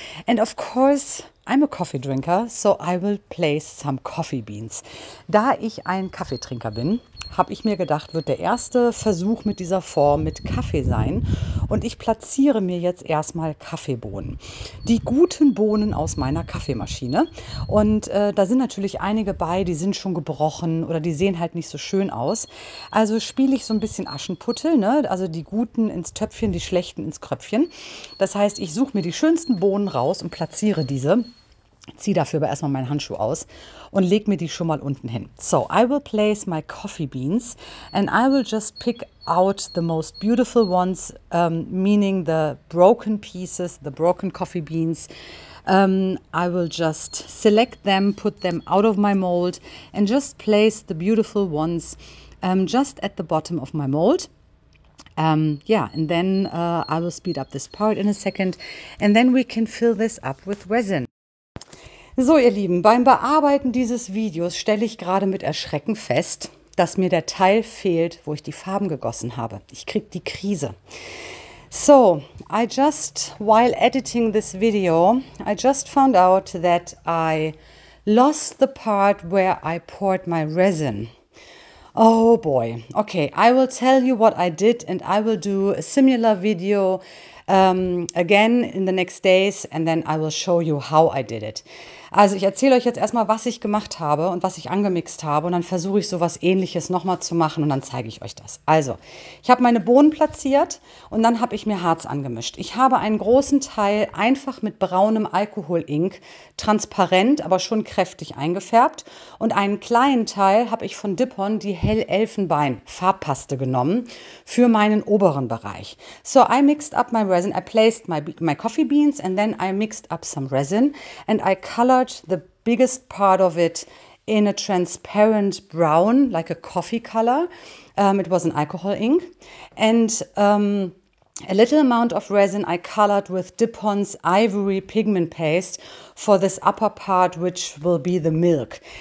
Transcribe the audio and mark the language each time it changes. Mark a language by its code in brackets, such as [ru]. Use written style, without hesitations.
[en] And of course, I'm a coffee drinker, so I will place some coffee beans. [de] Da ich ein Kaffeetrinker bin, habe ich mir gedacht, wird der erste Versuch mit dieser Form mit Kaffee sein. Und ich platziere mir jetzt erstmal Kaffeebohnen. Die guten Bohnen aus meiner Kaffeemaschine. Und da sind natürlich einige bei, die sind schon gebrochen oder die sehen halt nicht so schön aus. Also spiele ich so ein bisschen Aschenputtel, ne? Also die guten ins Töpfchen, die schlechten ins Kröpfchen. Das heißt, ich suche mir die schönsten Bohnen raus und platziere diese. Ziehe dafür aber erstmal meinen Handschuh aus und leg mir die schon mal unten hin. [en] So, I will place my coffee beans and I will just pick out the most beautiful ones, meaning the broken pieces, the broken coffee beans. I will just select them, put them out of my mold and just place the beautiful ones just at the bottom of my mold. Yeah, and then I will speed up this part in a second and then we can fill this up with resin. [de] So, ihr Lieben, beim Bearbeiten dieses Videos stelle ich gerade mit Erschrecken fest, dass mir der Teil fehlt, wo ich die Farben gegossen habe. Ich kriege die Krise. [en] So, I just, while editing this video, I just found out that I lost the part where I poured my resin. Oh boy. Okay, I will tell you what I did and I will do a similar video again in the next days and then I will show you how I did it. [de] Also ich erzähle euch jetzt erstmal, was ich gemacht habe und was ich angemixt habe und dann versuche ich sowas Ähnliches nochmal zu machen und dann zeige ich euch das. Also, ich habe meine Bohnen platziert und dann habe ich mir Harz angemischt. Ich habe einen großen Teil einfach mit braunem Alkoholink transparent, aber schon kräftig eingefärbt und einen kleinen Teil habe ich von Dippon die Hellelfenbein-Farbpaste genommen für meinen oberen Bereich. [en] So, I mixed up my resin, I placed my coffee beans and then I mixed up some resin and I cut the biggest part of it in a transparent brown, like a coffee color. It was an alcohol ink. And a little amount of resin I colored with Dupont's ivory pigment paste for this upper part, which will be the milk.